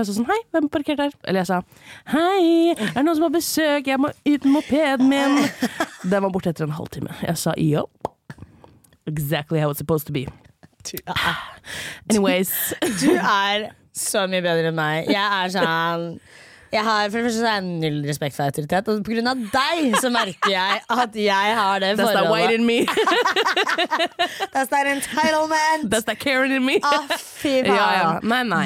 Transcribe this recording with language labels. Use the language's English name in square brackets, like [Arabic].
[Norwegian] Jeg sa sånn, hei, hvem er parkert der? Eller jeg sa, hei, er det noen som har besøk? Jeg må ut mopeden min. Den var borte etter en halvtime. Jeg sa, jo, [English] exactly how it's supposed to be. Anyways. [Norwegian] Du er... Så mye bedre enn meg. Jeg er sånn, jeg har, for det første så har jeg null respekt for autoritet. Og på grunn av deg så merker jeg at jeg har det forholdet. [English] That's that white in me. That's that entitlement. That's that Karen in me. [Norwegian] Fy faen. Ja. Nei.